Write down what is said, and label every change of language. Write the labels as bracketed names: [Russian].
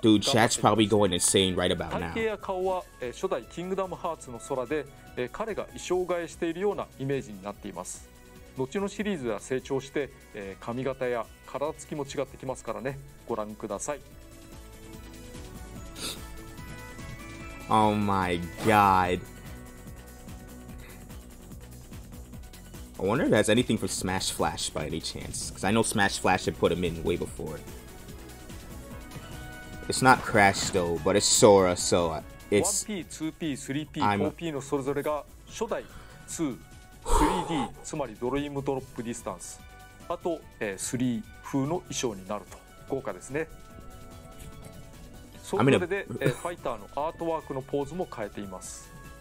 [English] Dude, chat's probably going insane right about now. [Japanese] 体型や顔は初代キングダムハーツの空で、彼が衣装替えしているようなイメージになっています。後のシリーズは成長して、髪型や体つきも違ってきますからね。ご覧ください。 [English] Oh my god. I wonder if that's anything from Smash Flash by any chance. Because I know Smash Flash had put him in way before. It's not Crash though, but it's Sora, so it's [Japanese] 1P, 2P, 3P, 4P のそれぞれが初代2、3D つまりドリームドロップディスタンス、あと3風の衣装になると豪華ですね。それぞれでファイターのアートワークのポーズも変えています。